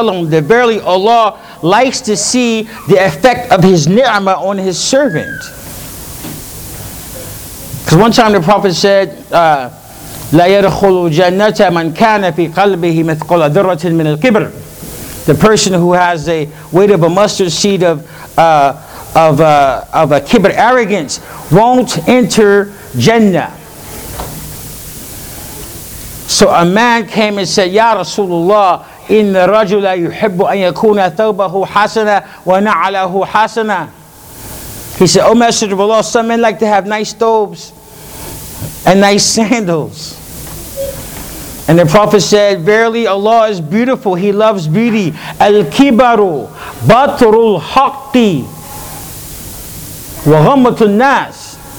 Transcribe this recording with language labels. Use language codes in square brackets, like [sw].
[en] That verily Allah likes to see the effect of his ni'mah on his servant. Because one time the Prophet said, [ar] لَا يَدْخُلُ جَنَّةَ مَنْ كَانَ فِي قَلْبِهِ مِثْقَلَ ذَرَّةٍ مِنَ الْكِبْرِ. [en] The person who has the weight of a mustard seed of a kibr, arrogance, won't enter Jannah. So a man came and said, [ar] Ya Rasulullah, إِنَّ رَجُلَ يُحِبُّ أَنْ يَكُونَ ثَوْبَهُ حَسَنًا وَنَعَلَهُ حَسَنًا. [en] He said, O Messenger of Allah, some men like to have nice thobes and nice sandals. And the Prophet said, verily Allah is beautiful. He loves beauty. [ar] Al-kibaru batrul haqti wa ghamatul nas.